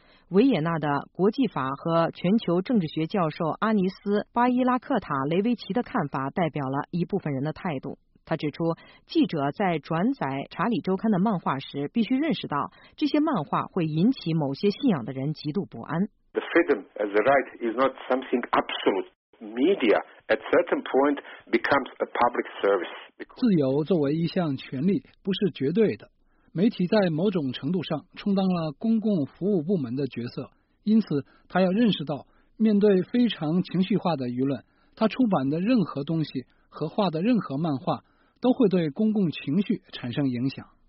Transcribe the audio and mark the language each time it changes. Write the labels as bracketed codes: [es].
[zh] 维也纳的国际法和全球政治学教授阿尼斯·巴伊拉克塔·雷维奇的看法代表了一部分人的态度。他指出，记者在转载查理周刊的漫画时，必须认识到这些漫画会引起某些信仰的人极度不安。 [en] The freedom as a right is not something absolute. Media at certain point becomes a public service. [zh] 自由作为一项权利不是绝对的。媒体在某种程度上充当了公共服务部门的角色，因此他要认识到，面对非常情绪化的舆论，他出版的任何东西和画的任何漫画都会对公共情绪产生影响。